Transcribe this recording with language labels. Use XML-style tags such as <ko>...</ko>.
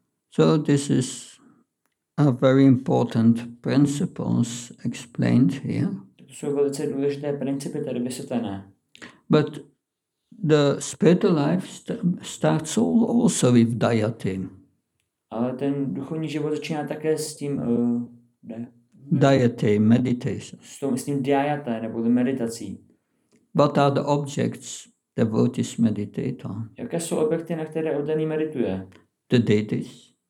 <en>So this is a very important principles explained here.</en> <cs>To jsou velice důležité principy tady vysvětlené.</cs> <en>But the spiritual life starts also with dayate.</en> <cs>Ale ten duchovní život začíná také s tím</cs> <en>dayate, meditation.</en> <cs>S tím dayate, nebo tím meditací.</cs> <en>What are the objects devotees meditate on?</en> <cs>Jaké jsou objekty, na které oddaný medituje?</cs> <en>The deities.</en>